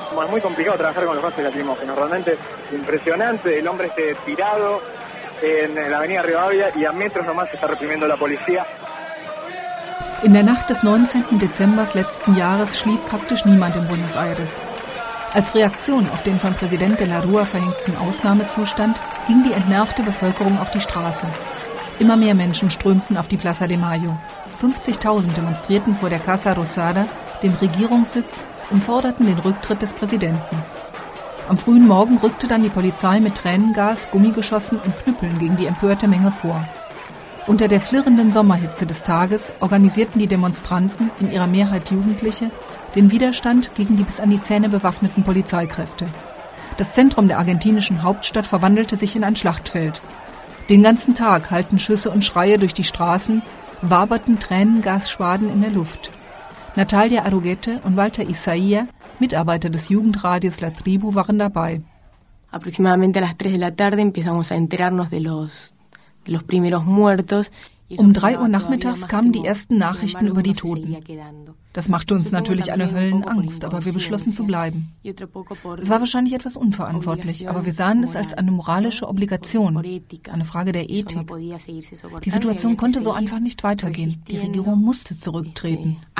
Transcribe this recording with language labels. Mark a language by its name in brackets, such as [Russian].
[Spanish] Muy complicado trabajar con los gases lacrimógenos. Realmente es impresionante. El hombre esté tirado en la avenida Rivadavia y a metros nomás está reprimiendo la policía. [German] In der Nacht des 19. Dezember letzten Jahres schlief praktisch niemand in Buenos Aires. Als Reaktion auf den von Präsident de la Rúa verhängten Ausnahmezustand ging die entnervte Bevölkerung auf die Straße. Immer mehr Menschen strömten auf die Plaza de Mayo. 50.000 demonstrierten vor der Casa Rosada, dem Regierungssitz, und forderten den Rücktritt des Präsidenten. Am frühen Morgen rückte dann die Polizei mit Tränengas, Gummigeschossen und Knüppeln gegen die empörte Menge vor. Unter der flirrenden Sommerhitze des Tages organisierten die Demonstranten, in ihrer Mehrheit Jugendliche, den Widerstand gegen die bis an die Zähne bewaffneten Polizeikräfte. Das Zentrum der argentinischen Hauptstadt verwandelte sich in ein Schlachtfeld. Den ganzen Tag hallten Schüsse und Schreie durch die Straßen, waberten Tränengasschwaden in der Luft. Natalia Arrughete und Walter Isaia, Mitarbeiter des Jugendradios La Tribu, waren dabei. [Spanish] Aproximadamente a las 3 de la tarde empezamos a enterarnos de los primeros muertos. [German] Um 3 Uhr nachmittags kamen die ersten Nachrichten über die Toten. Das machte uns natürlich eine Höllenangst, aber wir beschlossen zu bleiben. Es war wahrscheinlich etwas unverantwortlich, aber wir sahen es als eine moralische Obligation, eine Frage der Ethik. Die Situation konnte so einfach nicht weitergehen. Die Regierung musste zurücktreten.